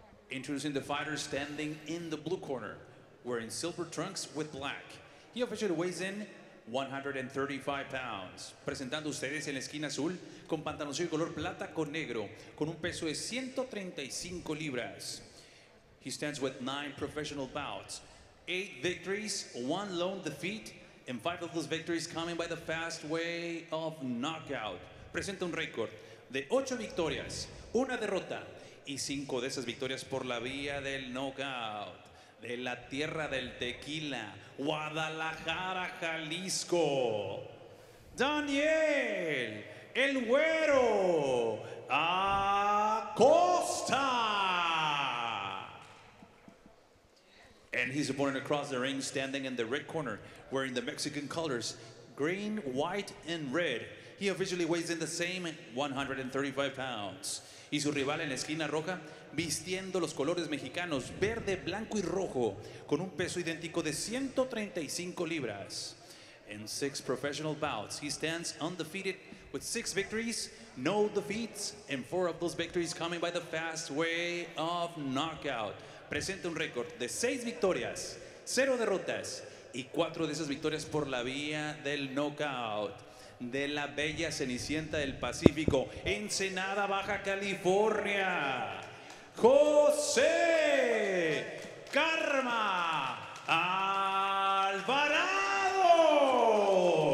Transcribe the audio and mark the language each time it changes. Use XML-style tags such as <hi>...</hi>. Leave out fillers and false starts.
<en>Introducing the fighter standing in the blue corner, wearing silver trunks with black. He officially weighs in 135 pounds.</en> <es>Presentando ustedes en la esquina azul, con pantaloncillo color plata con negro, con un peso de 135 libras.</es> <en>He stands with 9 professional bouts, 8 victories, 1 lone defeat, and 5 of those victories coming by the fast way of knockout.</en> <es>Presenta un récord de 8 victorias, 1 derrota, y 5 de esas victorias por la vía del knockout. De la tierra del tequila, Guadalajara, Jalisco. Daniel, el güero, Acosta.</es> <en>And his opponent across the ring, standing in the red corner, wearing the Mexican colors, green, white, and red. He officially weighs in the same 135 pounds.</en> <es>Y su rival en la esquina roja, vistiendo los colores mexicanos, verde, blanco y rojo, con un peso idéntico de 135 libras.</es> <en>In 6 professional bouts, he stands undefeated with 6 victories, no defeats, and 4 of those victories coming by the fast way of knockout.</en> <es>Presenta un récord de 6 victorias, 0 derrotas, y 4 de esas victorias por la vía del knockout. De la bella Cenicienta del Pacífico, Ensenada, Baja California, José Karma Alvarado.</es>